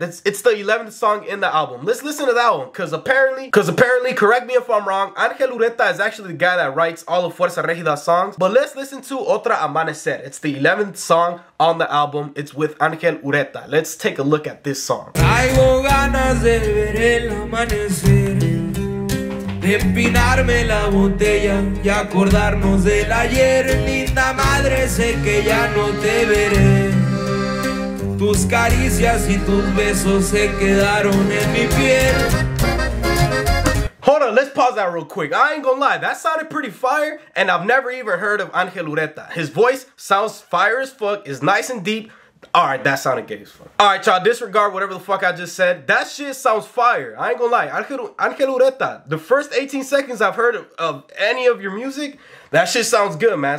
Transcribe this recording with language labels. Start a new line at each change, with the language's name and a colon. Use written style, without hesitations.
English: It's the 11th song in the album. Let's listen to that one, because apparently, correct me if I'm wrong, Angel Ureta is actually the guy that writes all of Fuerza Regida songs. But let's listen to Otro Amanecer. It's the 11th song on the album. It's with Angel Ureta. Let's take a look at this song.
Spanish: Traigo ganas de ver el amanecer, de empinarme la botella y acordarnos del ayer. Linda madre, sé que ya no te veré. Tus caricias y tus besos se quedaron en mi piel.
English: Hold on, let's pause that real quick. I ain't gonna lie, that sounded pretty fire, and I've never even heard of Angel Ureta. His voice sounds fire as fuck, is nice and deep. Alright, that sounded gay as fuck. Alright, y'all, disregard whatever the fuck I just said. That shit sounds fire. I ain't gonna lie. Angel Ureta, the first 18 seconds I've heard of any of your music, that shit sounds good, man.